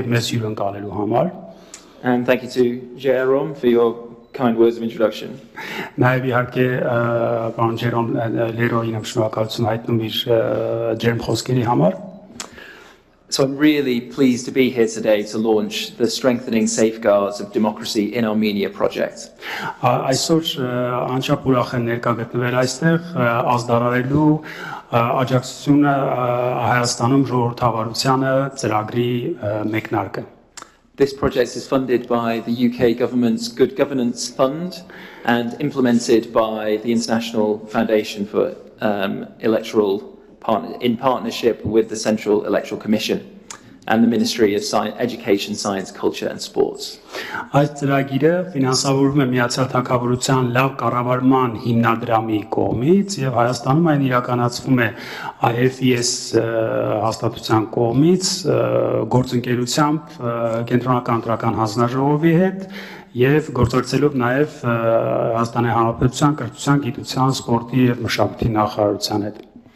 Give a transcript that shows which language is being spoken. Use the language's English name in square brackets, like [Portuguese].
[English] And thank you to Jerome for your kind words of introduction. [Armenian] Նաև իհարկե պարոն Ջերոմ Լերոյին եմ շնորհակալություն հայտնում իր ջերմ խոսքերի համար. [English] So I'm really pleased to be here today to launch the Strengthening Safeguards of Democracy in Armenia project. [Armenian] Այսօր անչափ ուրախ եմ ներկա գտնվել այստեղ ազդարարելու աջակցությունը Հայաստանում ժողովրդավարությանը ծրագրի մեկնարկը. [English] This project is funded by the UK government's Good Governance Fund and implemented by the International Foundation for Electoral in partnership with the Central Electoral Commission and the Ministry of Education, Science, Culture and Sports. [Armenian] Այս ծրագիրը ֆինանսավորվում է Միացյալ Թագավորության լավ կառավարման հիմնադրամի կողմից եւ Հայաստանում այն իրականացվում է IFES հաստատության կողմից գործընկերությամբ կենտրոնական ընտրական հանձնաժողովի հետ եւ գործակցելով նաեւ Հայաստանի Հանրապետության կրթության, գիտության, սպորտի եւ մշակույթի նախարարության հետ.